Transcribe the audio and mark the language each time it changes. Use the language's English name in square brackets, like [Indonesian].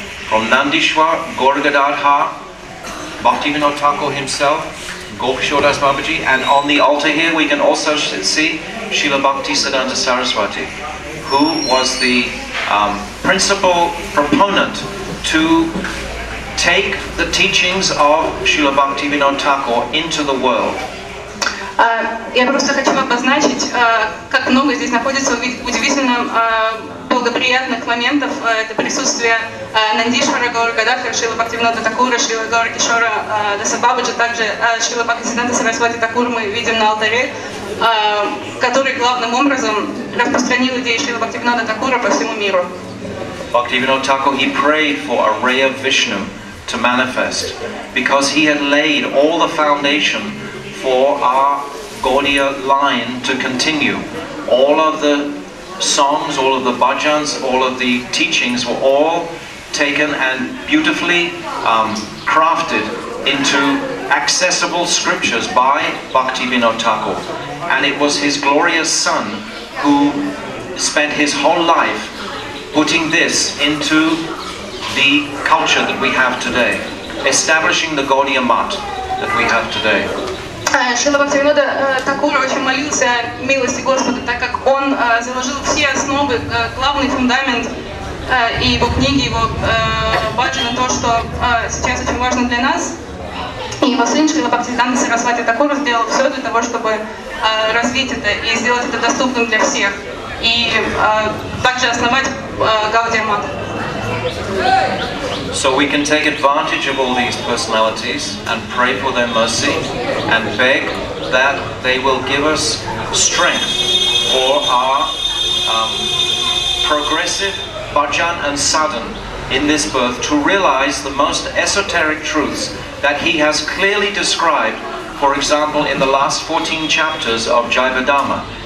[English] From Nandishwar, Gaura-gadadhara, Bhaktivinoda Thakur himself, Gaukishodas Babaji, and on the altar here we can also see Srila Bhaktisiddhanta Saraswati, who was the principal proponent to take the teachings of Srila Bhaktivinoda Thakur into the world. [Russian] Я просто хочу обозначить, как много здесь находится удивительных, благоприятных моментов. Это присутствие Нандишвара Гаура-гададхара, Шрила Бхактивинода Такура, Шрила Гаура-кишора Дасабабаджа, также Шрила Бхактисиддханта Сарасвати Такур мы видим на алтаре, который главным образом распространил идеи Шрила Бхактивинода Такура по всему миру. [English] Бхактивинода Такур, he prayed for a ray of Vishnu to manifest, because he had laid all the foundation for our Gaudiya line to continue. All of the songs, all of the bhajans, all of the teachings were all taken and beautifully crafted into accessible scriptures by Bhaktivinoda Thakur. And it was his glorious son who spent his whole life putting this into the culture that we have today, establishing the Gaudiya Math that we have today. [Russian] Шрила Бхактивинода Такура очень молился о милости Господа, так как он заложил все основы, главный фундамент и его книги, его баджана, то, что сейчас очень важно для нас. И его сын Шрила Бхактисиддханта Сарасвати Такура сделал все для того, чтобы развить это и сделать это доступным для всех. И также основать Гаудия Мат. [English] So we can take advantage of all these personalities and pray for their mercy and beg that they will give us strength for our progressive bhajan and sadhan in this birth to realize the most esoteric truths that he has clearly described, for example, in the last 14 chapters of Jiva Dharma.